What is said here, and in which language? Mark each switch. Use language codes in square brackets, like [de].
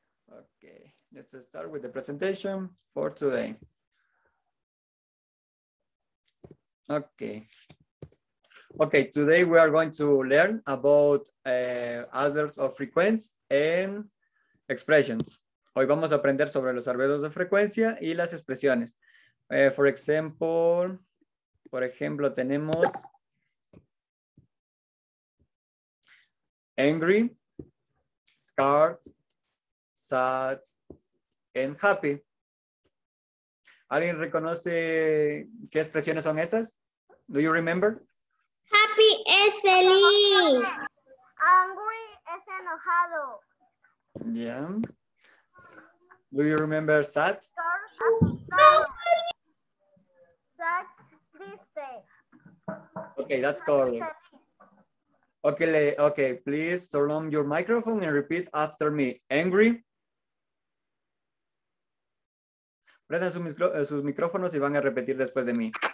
[en] Okay, let's start with the presentation for today. Okay, today we are going to learn about adverbs of frequency and expressions. [es] Hoy vamos a aprender sobre los adverbios de frecuencia y las expresiones. Por ejemplo, tenemos angry, scared, sad, and happy. ¿Alguien reconoce qué expresiones son estas? [en] Do you remember? [es] Happy es feliz. Angry es enojado. [en] Yeah. Do you remember sad? [es] Sad, triste. [en] Okay, that's correct. Okay, please turn on your microphone and repeat after me. Angry. [es] Prendan sus micrófonos y van a repetir después de mí.